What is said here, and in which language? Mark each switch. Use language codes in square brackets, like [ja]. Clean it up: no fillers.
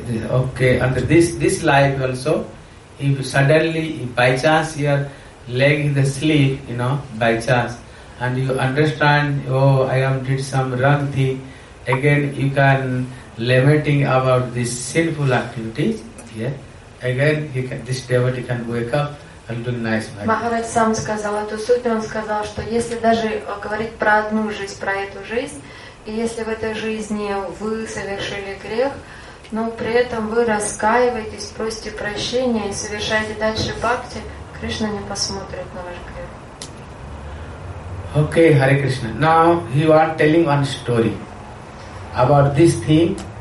[en] Okay, under this life also, if suddenly by chance your leg is asleep, you know, by chance, and you understand, oh, I am did some wrong thing, again you can lamenting about this sinful activities, yeah, again you can, this devotee can wake up and do nice bhajan. [ru] Махарадж сам сказал эту суть, он сказал, что если даже говорить про одну жизнь, про эту жизнь, и если в этой жизни вы совершили грех, но при этом вы раскаиваетесь, просите прощения и совершаете дальше бхакти, Кришна не посмотрит на ваш грех. [en] Okay, Hare Krishna. Now he was telling one story about this thing.